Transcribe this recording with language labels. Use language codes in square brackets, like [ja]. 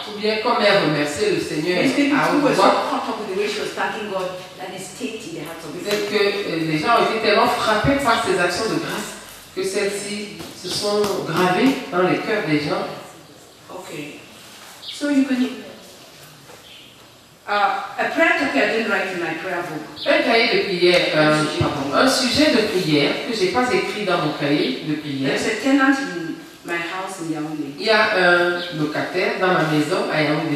[fr] Ou bien comme elle remerciait le Seigneur à peut-être que les gens ont été tellement frappés par ses actions de grâce que celles-ci se sont gravées dans les cœurs des gens. [en] Ok. So you can. A prayer that I didn't write in my prayer book. [fr] Un cahier de prière. Un sujet de prière que j'ai pas écrit dans mon cahier de prière. [en] There's a tenant in my house in Yaoundé. [fr] Il y a un locataire dans ma maison à Yaoundé.